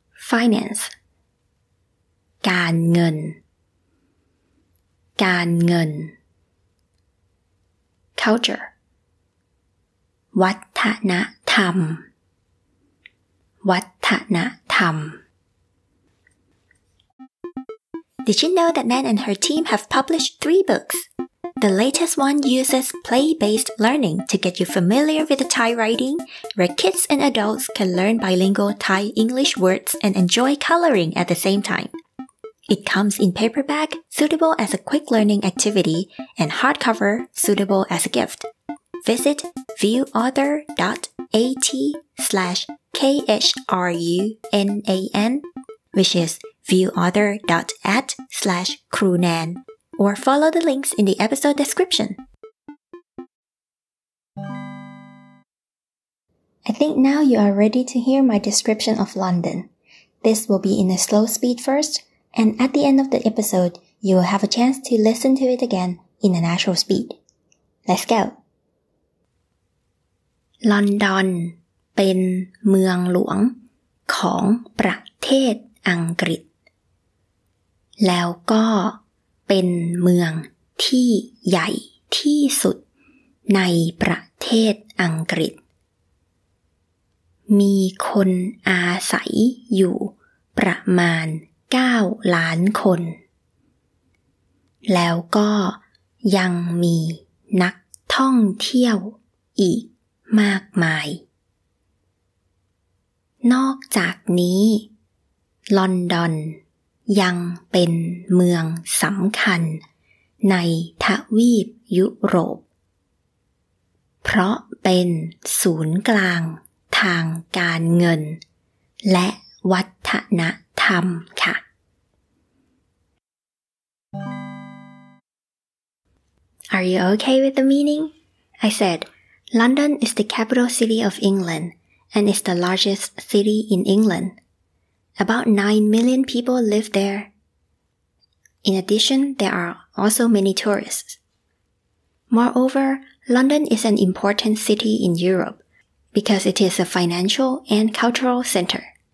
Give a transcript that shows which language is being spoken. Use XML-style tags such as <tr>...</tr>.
<en>finance การเงินการเงิน culture วัฒนธรรมวัฒนธรรม Did you know that Nan and her team have published 3 books? The latest one uses play-based learning to get you familiar with the Thai writing, where kids and adults can learn bilingual Thai English words and enjoy coloring at the same time. It comes in paperback, suitable as a quick learning activity, and hardcover, suitable as a gift. Visit viewauthor.at/krunan, which is viewauthor.at/krunan, or follow the links in the episode description. I think now you are ready to hear my description of London. This will be in a slow speed first, and at the end of the episode, you will have a chance to listen to it again in a natural speed. Let's go!</en> <th>London เป็นเมืองหลวงของประเทศอังกฤษแล้วก็เป็นเมืองที่ใหญ่ที่สุดในประเทศอังกฤษ มีคนอาศัยอยู่ประมาณ9ล้านคนแล้วก็ยังมีนักท่องเที่ยวอีกมากมาย นอกจากนี้ลอนดอนยังเป็นเมืองสำคัญในทวีปยุโรปเพราะเป็นศูนย์กลางทางการเงินและวัฒนธรรมค่ะ</th> <en>Are you okay with the meaning? I said, London is the capital city of England and is the largest city in England. About 9 million people live there. In addition, there are also many tourists. Moreover, London is an important city in Europe because it is a financial and cultural center.</en>